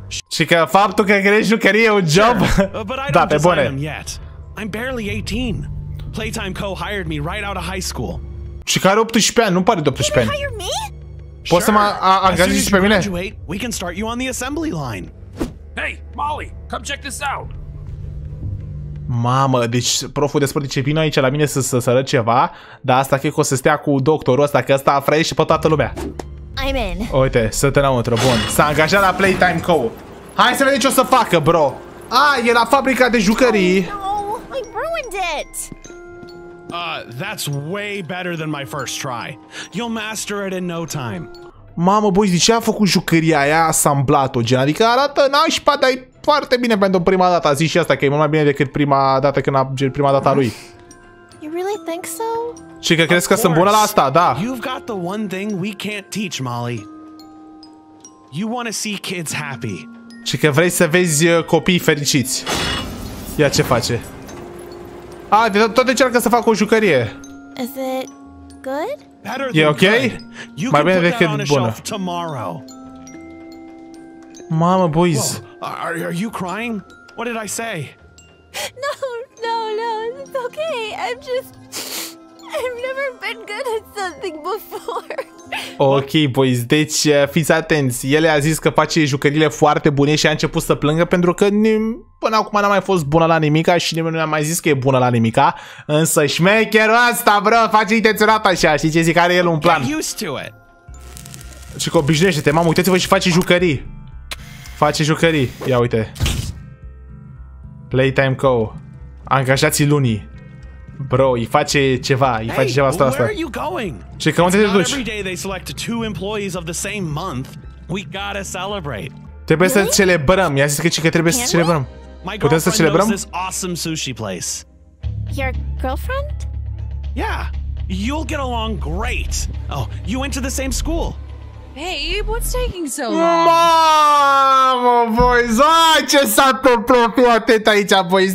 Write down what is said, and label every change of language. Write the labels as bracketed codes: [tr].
[ro] Și că faptul că crezi jucărie e un job? Da, pe bune. [en] I'm barely 18. Playtime Co hired me right out of high school. [ro] Și că are 18 ani, nu pare de 18 ani. Poți Să mă angajezi și pe mine? [en] We can start you on the assembly line. Hey, Molly, come check this out. [ro] Mamă, deci proful de sport zice, vino aici la mine să arăt ceva, dar asta cred că o să stea cu doctorul ăsta, că ăsta afraiește pe toată lumea. [en] I'm in. [ro] Uite, să te înăuntru, bun. S-a angajat la Playtime Co. Hai să vedem ce o să facă, bro. Ah, e la fabrica de jucării. [en] Oh, no, I ruined it. That's way better than my first try. You'll master it in no time. [ro] Mamă, boys, de ce a făcut jucăria aia asamblat-o, gen? Adică arată nașpa, dar e foarte bine pentru prima dată. A zis și asta că e mult mai bine decât prima dată când a prima dată lui. [en] You really think so? [ro] Și că crezi că sunt bună la asta, da. [en] You've got the one thing we can't teach, Molly. You want to see kids happy. [ro] Și că vrei să vezi copii fericiți. Ia ce face. A, de tot încearcă să facă o jucărie. [en] Is it good? [ro] E ok? Mai bine decât bună. Mamă, boys. [en] Are you crying? What did I say? No, no, it's okay. I've never been good at something before. [ro] Ok, boys, deci fiți atenți. El a zis că face jucările foarte bune și a început să plângă pentru că până acum n-a mai fost bună la nimica și nimeni nu i-a mai zis că e bună la nimica. Însă șmecherul ăsta, bro, face intenționat așa, știi ce zic, are el un plan. Și că obișnuiește-te, mamă, uitați-vă și face jucării. Face jucării, ia uite. Playtime Co. Angajații lunii. Bro, îi face ceva, îi face ceva asta. [en] Where are you going? [ro] Și că unde te duci? [en] Every day they select two employees of the same month. We gotta celebrate. [ro] Trebuie să celebrăm. I-a zis că trebuie să celebrăm. Putem să celebrăm? [en] This awesome sushi place. Your girlfriend? Yeah. You'll get along great. Oh, you went to the same school. Babe, what's taking so long? [ro] Mamă, boys, ce s-a întâmplat atât aici, boys.